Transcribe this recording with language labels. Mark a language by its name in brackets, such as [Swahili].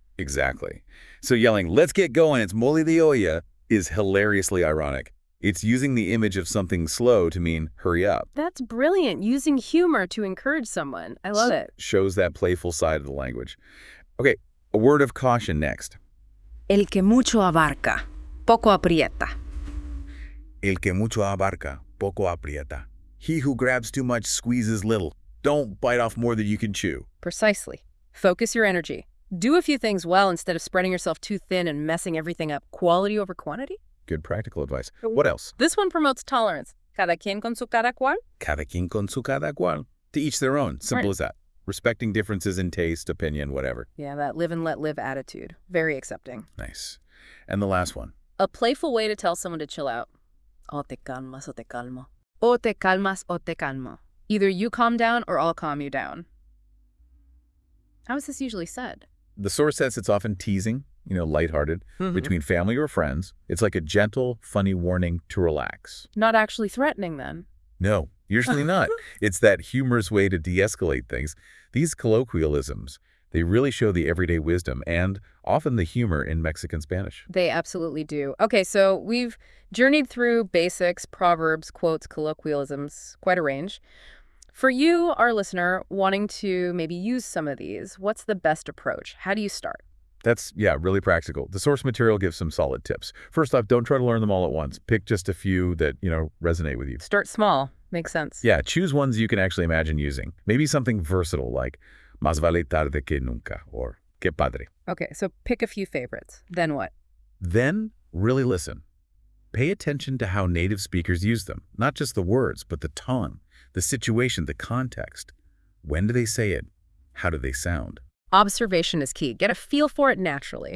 [English] Exactly. So yelling, let's get going, it's [Spanish] mole de olla, [English] is hilariously ironic. It's using the image of something slow to mean hurry up. That's brilliant. Using humor to encourage someone. I love it. Shows that playful side of the language. Okay, a word of caution next. [Spanish] El que mucho abarca, poco aprieta. El que mucho abarca, poco aprieta. [English] He who grabs too much squeezes little. Don't bite off more than you can chew. Precisely. Focus your energy. Do a few things well instead of spreading yourself too thin and messing everything up. Quality over quantity? Good practical advice. What else? This one promotes tolerance. [Spanish] Cada quien con su cada cual. Cada quien con su cada cual. [English] To each their own. Simple as that. Respecting differences in taste, opinion, whatever. Yeah, that live and let live attitude. Very accepting. Nice. And the last one. A playful way to tell someone to chill out. [Spanish] O te calmas o te calmo. O te calmas o te calmo. [English] Either you calm down or I'll calm you down. How is this usually said? The source says it's often teasing, you know, lighthearted, between family or friends. It's like a gentle, funny warning to relax. Not actually threatening, then. No, usually not. It's that humorous way to de-escalate things. These colloquialisms, they really show the everyday wisdom and often the humor in Mexican Spanish. They absolutely do. Okay, so we've journeyed through basics, proverbs, quotes, colloquialisms, quite a range. For you, our listener, wanting to maybe use some of these, what's the best approach? How do you start? That's, yeah, really practical. The source material gives some solid tips. First off, don't try to learn them all at once. Pick just a few that, you know, resonate with you. Start small. Makes sense. Yeah, choose ones you can actually imagine using. Maybe something versatile like, [Spanish] más vale tarde que nunca, [English] or [Spanish] qué padre. [English] Okay, so pick a few favorites. Then what? Then really listen. Pay attention to how native speakers use them. Not just the words, but the tone. The situation, the context. When do they say it? How do they sound? Observation is key. Get a feel for it naturally.